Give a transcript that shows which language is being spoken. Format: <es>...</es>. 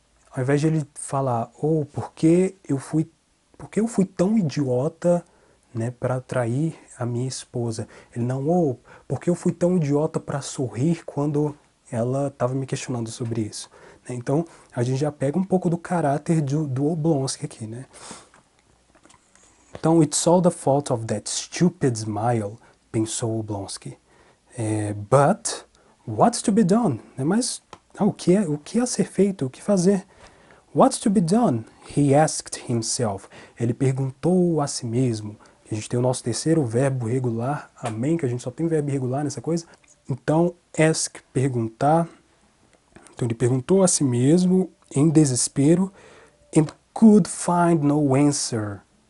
<pt>ao invés de ele falar, ou oh, por que eu fui tão idiota, né, para trair a minha esposa, ele não, ou oh, por que eu fui tão idiota para sorrir quando ela estava me questionando sobre isso. Então, a gente já pega um pouco do caráter do Oblonsky aqui, né?</pt> <en>Então, it's all the fault of that stupid smile, pensou Oblonsky. But what's to be done?</en> <pt>Mas o que é a ser feito? O que fazer?</pt> <en>What's to be done? He asked himself.</en> <pt>Ele perguntou a si mesmo. A gente tem o nosso terceiro verbo regular, amém, que a gente só tem verbo irregular nessa coisa. Então, ask, perguntar. Então, ele perguntou a si mesmo, em desespero,</pt> <en>and could find no answer.</en>